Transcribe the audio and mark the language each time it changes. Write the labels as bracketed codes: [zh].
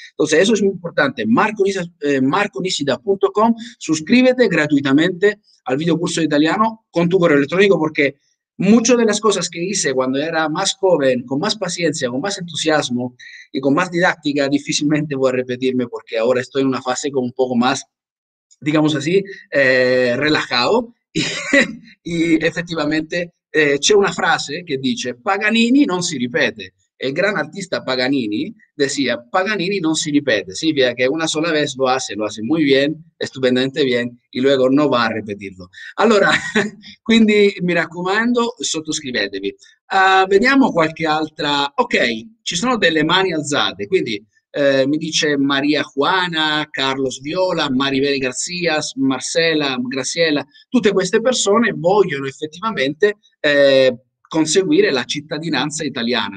[es] Entonces, eso es muy importante. Marconisida.com, suscríbete gratuitamente al video curso de italiano con tu correo electrónico, porque muchas de las cosas que hice cuando era más joven, con más paciencia, con más entusiasmo y con más didáctica, difícilmente voy a repetirme porque ahora estoy en una fase con un poco más, digamos así, relajado. Y efectivamente [it] c'è una frase che dice: Paganini non si ripete. [es] El gran artista Paganini decía: [it] Paganini non si ripete. [es] Sí, via que una sola vez lo hace muy bien, estupendamente bien, y luego no va a repetirlo. [it] Allora, quindi mi raccomando, sottoscrivetevi. Vediamo qualche altra. Ok, ci sono delle mani alzate, quindi mi dice Maria Juana, Carlos Viola, Maribel Garcias, Marcela, Graciela. Tutte queste persone vogliono effettivamente conseguire la cittadinanza italiana.